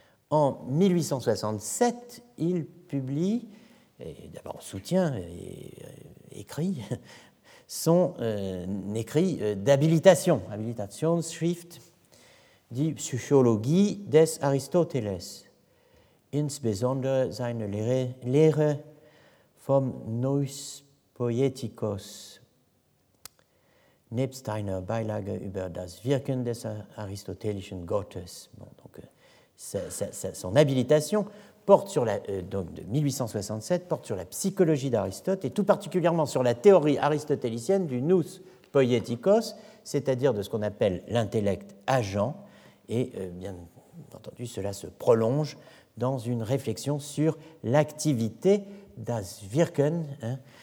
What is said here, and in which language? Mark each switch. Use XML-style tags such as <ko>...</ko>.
<fr>En 1867, il publie, et d'abord soutient et écrit, son écrit d'habilitation,</fr> <de>Habilitationsschrift, die Psychologie des Aristoteles. Insbesondere seine Lehre vom Neus Poetikos nebst einer Beilage über das Wirken des aristotelischen Gottes.</de> <fr>Bon, donc, son habilitation porte sur la, donc de 1867 porte sur la psychologie d'Aristote et tout particulièrement sur la théorie aristotélicienne du Neus Poetikos, c'est-à-dire de ce qu'on appelle l'intellect agent. Et bien entendu, cela se prolonge dans une réflexion sur l'activité das Wirken, hein,</fr>